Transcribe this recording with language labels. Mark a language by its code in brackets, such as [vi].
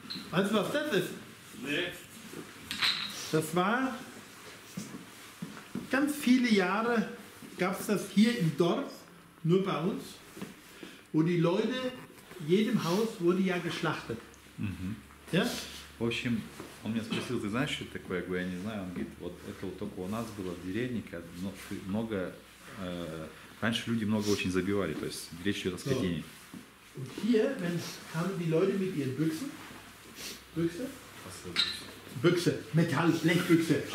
[de] Weißt du, was das ist? Nee. Das war ganz viele Jahre, gab es das hier im Dorf, nur bei uns, wo die Leute, jedem Haus wurde ja geschlachtet. Mhm. Ja? [ru] В общем, он меня спросил, ты знаешь, что это такое? Я говорю, я не знаю. Он говорит, вот это вот только у нас было в деревне, много, раньше люди много очень забивали, то есть речь идет о скотине. [de] Und hier, wenn kamen die Leute mit ihren Büchsen, Büchse, Metall, Blechbüchse,